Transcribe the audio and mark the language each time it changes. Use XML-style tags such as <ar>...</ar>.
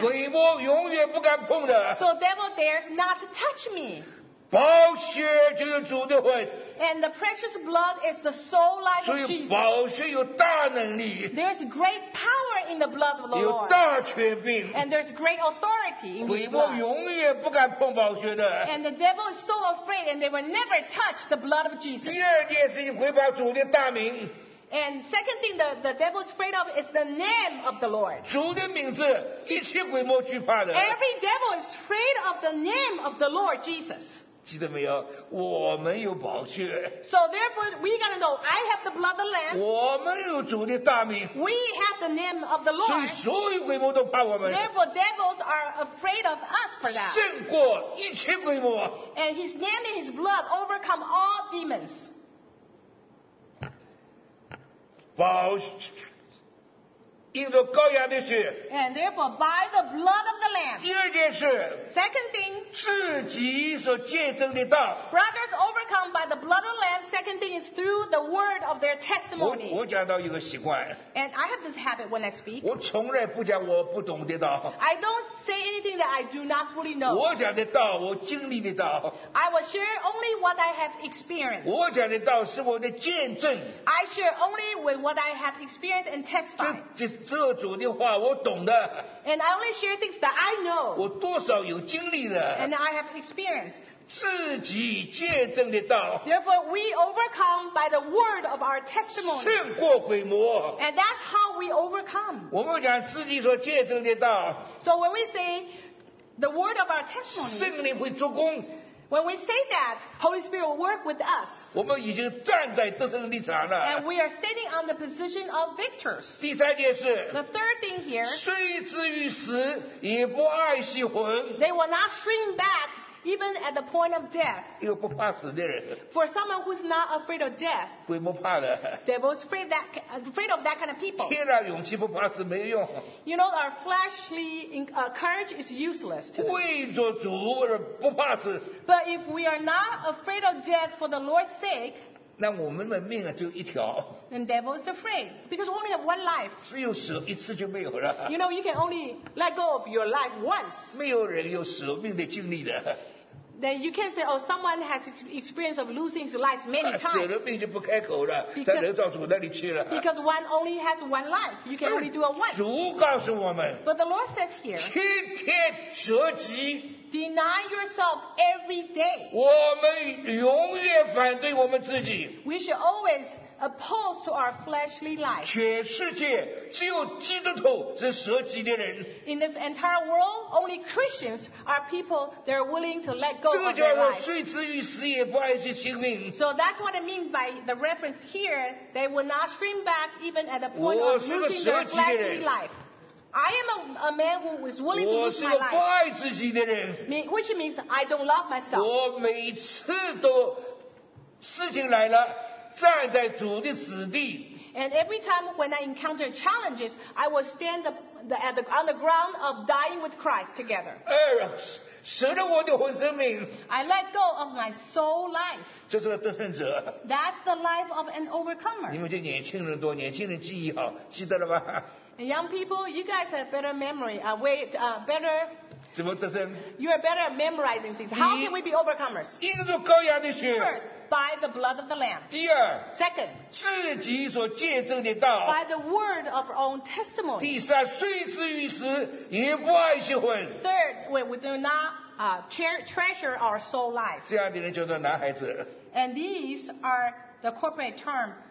<zh>鬼魔永远不敢碰的。</zh> <en>So devil dares not to touch me.</en> <zh>宝血就是主的魂。</zh> <en>And the precious blood is the soul life of Jesus.</en> <zh>所以宝血有大能力。</zh> <en>There's great power in the blood of the Lord.</en> <zh>有大权柄。</zh> <en>And there's great authority in His blood.</en> <zh>鬼魔永远不敢碰宝血的。</zh> <en>And the devil is so afraid, and they will never touch the blood of Jesus.</en> <zh>第二件事情，鬼怕主的大名。</zh> <en>And second thing the devil is afraid of is the name of the Lord.</en> <zh>主的名字一切鬼魔惧怕的。</zh> <en>Every devil is afraid of the name of the Lord Jesus.</en> <zh>记得没有？我们有宝血。</zh> <en>So therefore, we gotta know. I have the blood of the Lamb.</en> <zh>我们有主的大名。</zh> <en>We have the name of the Lord.</en> <zh>所以所有鬼魔都怕我们。</zh> <en>Therefore, devils are afraid of us for that.</en> <zh>胜过一切鬼魔。</zh> <en>And His name and His blood overcome all demons.</en> <zh>宝血，印着羔羊的血。</zh> <en>And therefore, by the blood of the Lamb.</en> <zh>第二件事。</zh> <en>Second thing.</en> <zh>自己所见证的道。</zh> <en>Brothers overcome by the blood of the Lamb. Second thing is through the word of their testimony.</en> <zh>我讲到一个习惯。</zh> <en>And I have this habit when I speak.</en> <zh>我从来不讲我不懂的道。</zh> <en>I don't say anything that I do not fully know.</en> <zh>我讲的道，我经历的道。</zh> <en>I will share only what I have experienced.</en> <zh>我讲的道是我的见证。</zh> <en>I share only with what I have experienced and testified.</en> <zh>这主的话我懂的。</zh> <en>And I only share things that I know.</en> <zh>我多少有经历的。</zh> <en>And I have experienced.</en> <zh>自己见证的道。</zh> <en>Therefore, we overcome by the word of our testimony.</en> <zh>胜过鬼魔。</zh> <en>And that's how we overcome.</en> <zh>我们讲自己所见证的道。</zh> <en>So when we say the word of our testimony,</en> <zh>圣灵会做工。</zh> <en>When we say that, Holy Spirit will work with us.</en> <zh>我们已经站在得胜的立场了。</zh> <en>And we are standing on the position of victors.</en> <zh>第三件事。</zh> <en>The third thing here.</en> <zh>虽至于死，也不爱惜魂。</zh> <en>They will not shrink back even at the point of death.</en> <zh>一个不怕死的人。</zh> <en>For someone who's not afraid of death.</en> <zh>鬼不怕的。</zh> <en>Devil's afraid of that kind of people.</en> <zh>天然勇气不怕死没用。</zh> <en>You know, our fleshly courage is useless to us.</en> <zh>为着主而不怕死。</zh> <en>But if we are not afraid of death for the Lord's sake,</en> <zh>那我们的命啊只有一条。</zh> <en>Then devil is afraid because we only have one life.</en> <zh>只有死一次就没有了。</zh> <en>You know, you can only let go of your life once.</en> <zh>没有人有死命的经历的。</zh> <en>Then you can say, oh, someone has experience of losing his life many times.</en> <zh>死了命就不开口了，在人造主那里去了。</zh> <en>Because one only has one life, you can only do it once.</en> <zh>主告诉我们。</zh> <en>But the Lord says here.</en> <zh>天天舍己。</zh> <en>Deny yourself every day.</en> <zh>我们永远反对我们自己。</zh> <en>We should always oppose to our fleshly life.</en> <zh>全世界只有基督徒是舍己的人。</zh> <en>In this entire world, only Christians are people that are willing to let go of their life.</en> <zh>这个叫做虽至于死也不爱惜性命。</zh> <en>So that's what I mean by the reference here. They will not shrink back even at the point of losing their fleshly life. I am a man who is willing to lose my life.</en> <zh>我是个不爱自己的人。</zh> <en>Which means I don't love myself.</en> <zh>我每次都事情来了，站在主的死地。</zh> <en>And every time when I encounter challenges, I will stand on the ground of dying with Christ together.</en> <zh>二，舍了我的魂生命。</zh> <en>I let go of my soul life.</en> <zh>这是个得胜者。</zh> <en>That's the life of an overcomer.</en> <zh>你们这年轻人多，年轻人记忆好，记得了吧？</zh> <en>Young people, you guys have better memory. Better.</en> <zh>怎么得胜?</zh> <en>You are better at memorizing things. How can we be overcomers?</en> <zh>因着羔羊的血。</zh> <en>First, by the blood of the Lamb.</en> <zh>第二。</zh> <en>Second,</en> <zh>自己所见证的道。</zh> <en>By the word of our own testimony.</en> <zh>第三，虽至于死，也不爱惜魂。</zh> <en>Third, when we do not treasure our soul life.</en> <zh>这样的人叫做男孩子。</zh> <en>And these are the corporate term.</en>